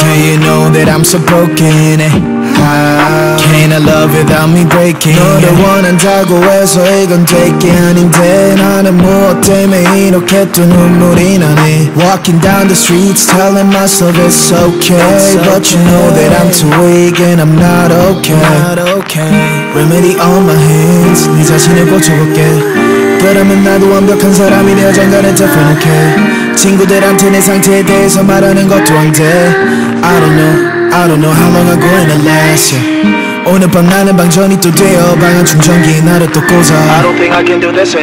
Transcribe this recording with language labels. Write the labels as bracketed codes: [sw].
[en] Do you know that I'm so broken, eh? How? Can't I love without me breaking? [ko] 너를 원한다고 해서 이건 될 게 아닌데 나는 무엇 때문에 이렇게 또 눈물이 나네. [en] Walking down the streets telling myself it's okay, but you know that I'm too weak and I'm not okay. Remedy on my hands, [ko] 네 자신을 고쳐볼게. 그러면 나도 완벽한 사람이 되어 장가를 접근할게. 친구들한테 내 상태에 대해서 말하는 것도 안 돼. [en] I don't know how long I'm going to last, yeah. [ko] 오늘 밤 나는 방전이 또 되어 방한 충전기 나를 또 꽂아.